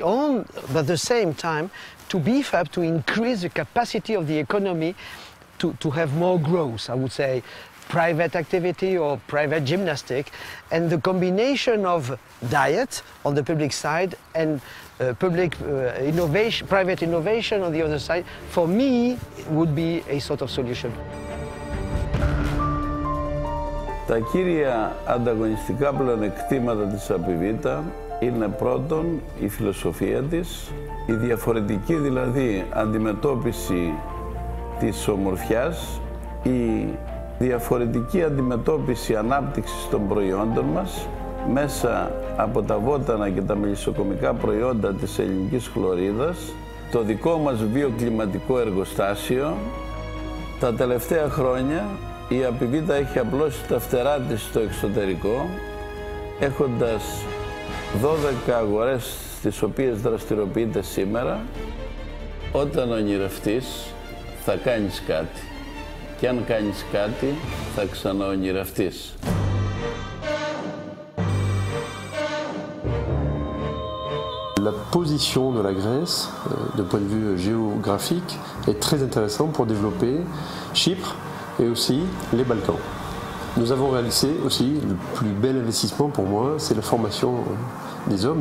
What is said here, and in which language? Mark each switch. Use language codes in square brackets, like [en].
[en] On but at the same time, to beef up, to increase the capacity of the economy, to have more growth. I would say. Private activity or private gymnastic, and the combination of diet on the public side and public innovation, private innovation on the other side, for me, would be a sort of solution. [el] Τα κύρια ανταγωνιστικά πλεονεκτήματα της ΑΠΙΒΙΤΑ είναι πρώτον η φιλοσοφία της, η διαφορετική δηλαδή αντιμετώπιση της ομορφιάς, η διαφορετική αντιμετώπιση ανάπτυξης των προϊόντων μας μέσα από τα βότανα και τα μελισσοκομικά προϊόντα της ελληνικής χλωρίδας, το δικό μας βιοκλιματικό εργοστάσιο. Τα τελευταία χρόνια η ΑΠΙΒΙΤΑ έχει απλώσει τα φτερά της στο εξωτερικό, έχοντας 12 αγορές στις οποίες δραστηριοποιείται σήμερα. Όταν ονειρευτείς θα κάνεις κάτι. και αν κάνεις κάτι, θα ξαναονειρευτείς. [fr] La position de la Grèce, de point de vue géographique, est très intéressante pour développer Chypre et aussi les Balkans. Nous avons réalisé aussi le plus bel investissement pour moi, c'est la formation des hommes.